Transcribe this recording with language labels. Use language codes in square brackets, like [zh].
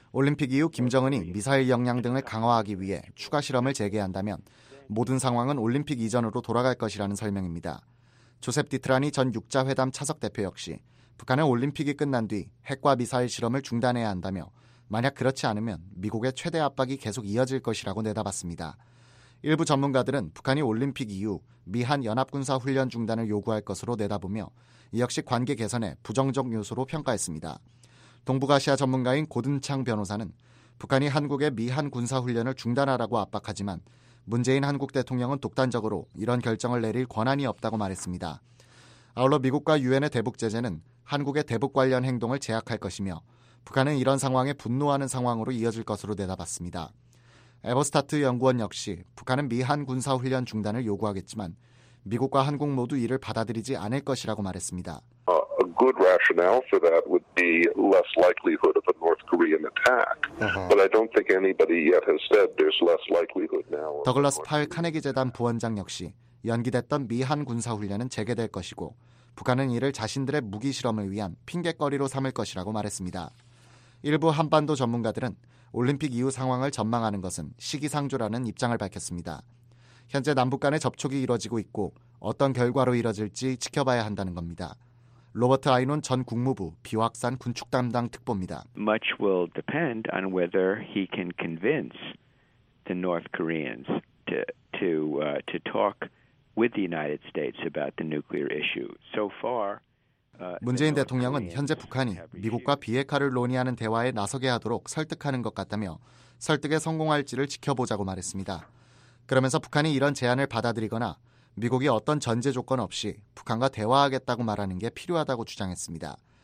[ko] 올림픽 이후 김정은이 미사일 역량 등을 강화하기 위해 추가 실험을 재개한다면 모든 상황은 올림픽 이전으로 돌아갈 것이라는 설명입니다. 조셉 디트라니 전 6자회담 차석 대표 역시 북한의 올림픽이 끝난 뒤 핵과 미사일 실험을 중단해야 한다며, 만약 그렇지 않으면 미국의 최대 압박이 계속 이어질 것이라고 내다봤습니다. 일부 전문가들은 북한이 올림픽 이후 미한 연합군사 훈련 중단을 요구할 것으로 내다보며 이 역시 관계 개선에 부정적 요소로 평가했습니다. 동북아시아 전문가인 고든창 변호사는 북한이 한국의 미한 군사 훈련을 중단하라고 압박하지만 문재인 한국 대통령은 독단적으로 이런 결정을 내릴 권한이 없다고 말했습니다. 아울러 미국과 유엔의 대북 제재는 한국의 대북 관련 행동을 제약할 것이며, 북한은 이런 상황에 분노하는 상황으로 이어질 것으로 내다봤습니다. 에버스타트 연구원 역시 북한은 미한 군사훈련 중단을 요구하겠지만 미국과 한국 모두 이를 받아들이지 않을 것이라고 말했습니다. [en] A good rationale for that would be less likelihood of a North Korean attack. But I don't think anybody yet has said there's less likelihood now. [ko] 더글라스 파일 카네기 재단 부원장 역시 연기됐던 미한 군사훈련은 재개될 것이고 북한은 이를 자신들의 무기 실험을 위한 핑계거리로 삼을 것이라고 말했습니다. 일부 한반도 전문가들은 올림픽 이후 상황을 전망하는 것은 시기상조라는 입장을 밝혔습니다. 현재 남북 간의 접촉이 이뤄지고 있고 어떤 결과로 이뤄질지 지켜봐야 한다는 겁니다. 로버트 아이논 전 국무부 비확산 군축 담당 특보입니다. [en] Much will depend on whether he can convince the North Koreans to talk with the United States about the nuclear issue. So far, [ko] 문재인 대통령은 현재 북한이 미국과 비핵화를 논의하는 대화에 나서게 하도록 설득하는 것 같다며 설득에 성공할지를 지켜보자고 말했습니다. 그러면서 북한이 이런 제안을 받아들이거나 미국이 어떤 전제 조건 없이 북한과 대화하겠다고 말하는 게 필요하다고 주장했습니다.